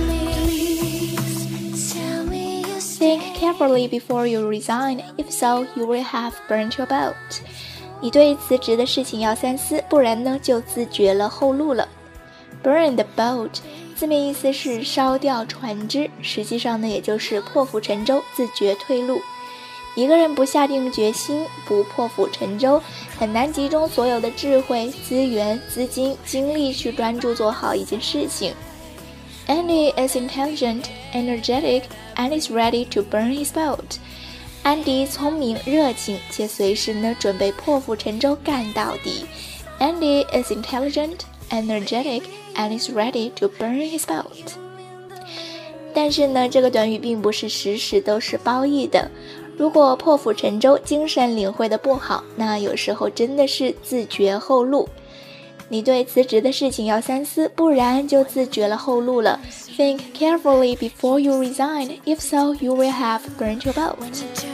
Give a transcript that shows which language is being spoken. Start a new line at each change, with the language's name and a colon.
English: Think carefully before you resign. If so, you will have burnt your boat.
Chinese: 你对辞职的事情要三思，不然呢，就自绝了后路了。
English: Burn the boat.
Chinese: 字面意思是烧掉船只，实际上呢，也就是破釜沉舟，自觉退路。一个人不下定决心，不破釜沉舟，很难集中所有的智慧、资源、资金、精力去专注做好一件事情。
English: Andy is intelligent, energetic, and is ready to burn his boat.
Chinese: 安迪聪明、热情，且随时呢准备破釜沉舟干到底。
English: Andy is intelligent, energetic. And is ready to burn his boat.
Chinese: 但是呢，这个短语并不是时时都是褒义的。如果破釜沉舟，精神领会的不好，那有时候真的是自绝后路。你对辞职的事情要三思，不然就自绝了后路了。
English: Think carefully before you resign. If so, you will have burned your boat.